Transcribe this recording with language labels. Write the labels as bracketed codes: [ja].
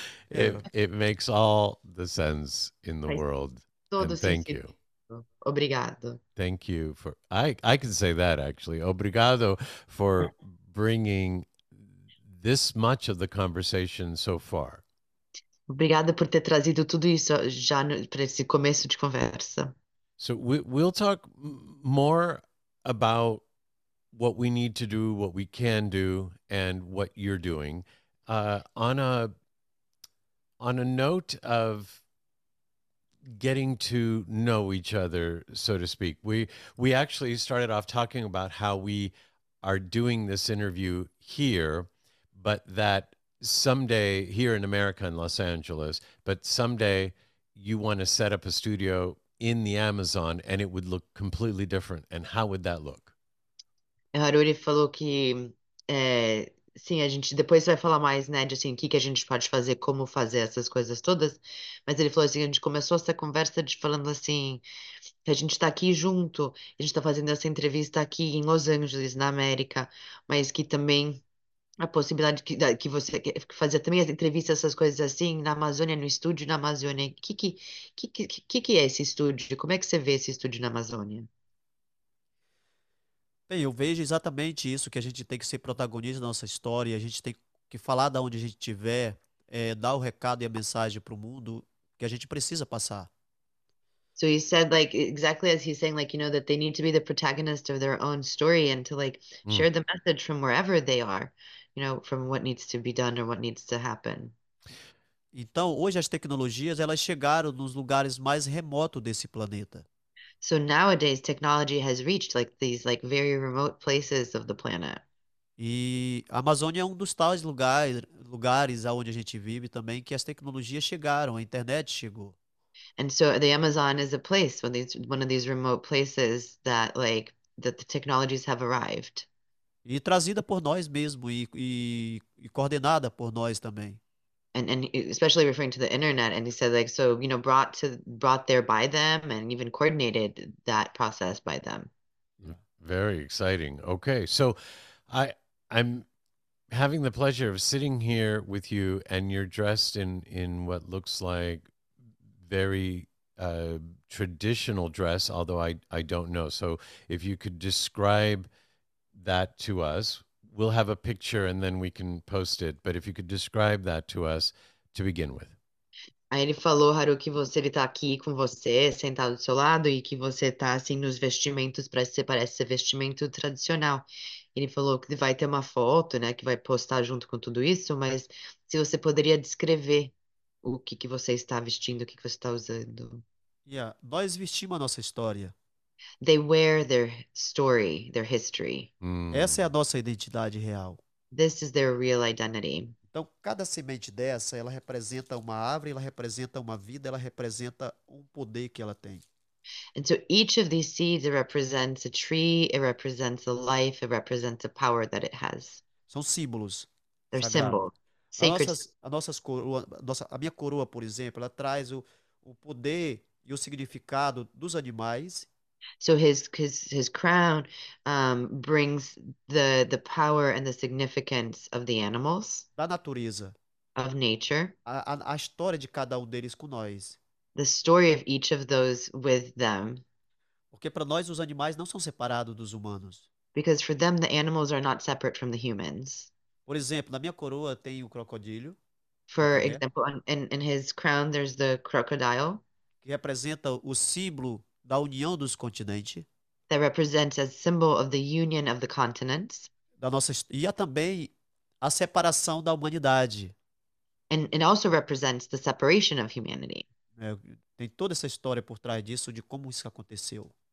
[en] It makes all the sense in the world, [pt] Todo [en] and thank [pt] sentido. [en] you. [pt] Obrigado. [en] Thank you for I can say that actually. Obrigado for bringing this much of the conversation so far. [pt] Obrigada por ter trazido tudo isso já para esse começo de conversa. [en] So we'll talk more about what we need to do, what we can do, and what you're doing. On a note of getting to know each other, so to speak, we actually started off talking about how we are doing this interview here, but that someday here in America, in Los Angeles, but someday you want to set up a studio in the Amazon and it would look completely different. And how would that look? [pt] Haruri falou que sim, a gente depois vai falar mais, né, de assim, o que que a gente pode fazer, como fazer essas coisas todas, mas ele falou assim, a gente começou essa conversa de falando assim, que a gente está aqui junto, a gente está fazendo essa entrevista aqui em Los Angeles, na América, mas que também a possibilidade que você fazer também as entrevistas, essas coisas assim, na Amazônia, no estúdio na Amazônia, que é esse estúdio? Como é que você vê esse estúdio na Amazônia? Bem, eu vejo exatamente isso, que a gente tem que ser protagonista da nossa história, a gente tem que falar da onde a gente estiver, dar o recado e a mensagem para o mundo que a gente precisa passar. [en] So he said, like, exactly as he's saying, like, you know, that they need to be the protagonist of their own story and to, like, share the message from wherever they are, you know, from what needs to be done or what needs to happen. [pt] Então, hoje as tecnologias elas chegaram nos lugares mais remotos desse planeta. [en] So nowadays, technology has reached like these like very remote places of the planet. [pt] E a Amazônia é um dos tais lugares aonde a gente vive também que as tecnologias chegaram, a internet chegou. [en] And so the Amazon is a place, one of these remote places that the technologies have arrived. [pt] E trazida por nós mesmo e coordenada por nós também. [en] And especially referring to the internet, and he said like so, you know, brought there by them, and even coordinated that process by them. Very exciting. Okay, so I'm having the pleasure of sitting here with you, and you're dressed in what looks like very traditional dress, although I don't know. So if you could describe that to us, we'll have a picture and then we can post it. But if you could describe that to us to begin with. [pt] Aí ele falou, Haruki, ele tá aqui com você, sentado do seu lado, e que você tá assim nos vestimentos, parece ser vestimento tradicional. Ele falou que vai ter uma foto, né, que vai postar junto com tudo isso, mas se você poderia descrever o que que você está vestindo, o que que você está usando. Nós vestimos a nossa história. [en] They wear their story, their history. [pt] Essa é a nossa identidade real. [en] This is their real identity. [pt] Então, cada semente dessa, ela representa uma árvore, ela representa uma vida, ela representa um poder que ela tem. [en] And so each of these seeds represents a tree, it represents a life, it represents a power that it has. [pt] São símbolos [en] They're [pt] sagrados. [en] symbol, sacred. [pt] A minha coroa, por exemplo, ela traz o poder e o significado dos animais. [en] So his crown brings the power and the significance of the animals, [pt] Da natureza. [en] of nature, [pt] A história de cada um deles com nós. [en] the story of each of those with them. [pt] Porque para nós os animais não são separados dos humanos. [en] Because for them, the animals are not separate from the humans. [pt] Por exemplo, na minha coroa tem o crocodilo, [en] For [pt] jacaré, [en] example, in his crown, there's the crocodile. [pt] que representa o símbolo da união dos continentes, [en] That represents a symbol of the union of the continents. [pt] da nossa e há também a separação da humanidade. [en] And it also represents the separation of humanity. [pt] Tem toda essa história por trás disso, de como isso aconteceu.